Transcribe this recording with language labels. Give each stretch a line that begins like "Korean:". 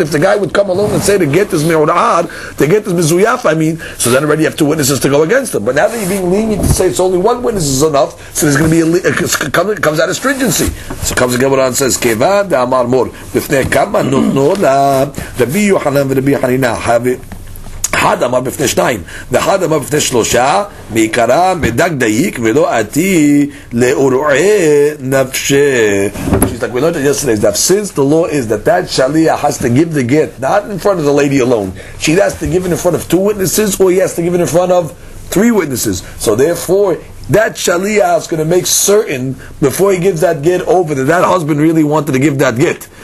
English: If the guy would come along and say, the get is me'ur'ad, the get is mizuyaf, I mean, so then already you have two witnesses to go against him. But now that you're being lenient to say it's only one witness is enough, so there's going to be comes out of stringency. So comes the Gemara and says,
Hebrew: Kevan da amar mor, b'fnei kama nutno la,
English: Rabbi Yohanan v'Rabbi Hanina, have it.
Hebrew: אחד אמר בפני שניים, ואחד אמר בפני שלושה, מעיקרה מדג דייק ולא עתי לאורעי נפשי.
English: like we learned it yesterday, is that since the law is that that shaliach has to give the get, not in front of the lady alone, she has to give it in front of two witnesses, or he has to give it in front of three witnesses. So therefore, that shaliach is going to make certain, before he gives that get over, that that husband really wanted to give that get.